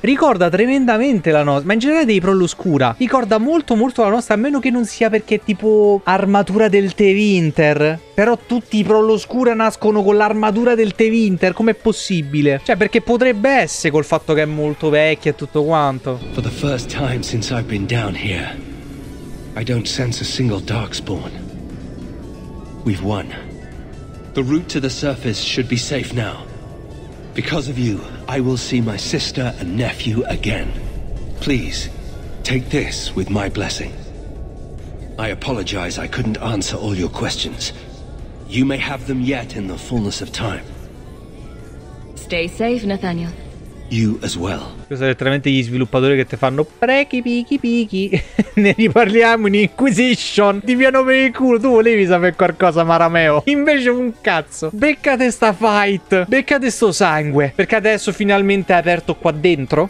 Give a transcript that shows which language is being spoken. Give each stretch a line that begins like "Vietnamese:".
Italian: Ricorda tremendamente la nostra. Ma in generale dei Prolluscura ricorda molto molto la nostra. A meno che non sia perché è tipo armatura del Tevinter. Però tutti i Prolluscura nascono con l'armatura del Tevinter. Com'è possibile? Cioè perché potrebbe essere col fatto che è molto vecchia e tutto quanto.
English: For the first time since I've been down here, I don't sense a single Darkspawn. We've won. The route to the surface should be safe now. Because of you, I will see my sister and nephew again. Please, take this with my blessing. I apologize I couldn't answer all your questions. You may have them yet in the fullness of time. Stay safe, Nathaniel. You as well.
Italian: Questo è letteralmente gli sviluppatori che ti fanno preki piki piki. Ne riparliamo in Inquisition. Ti piano per il culo. Tu volevi sapere qualcosa, Marameo. Invece un cazzo. Beccate sta fight. Beccate sto sangue. Perché adesso finalmente è aperto qua dentro.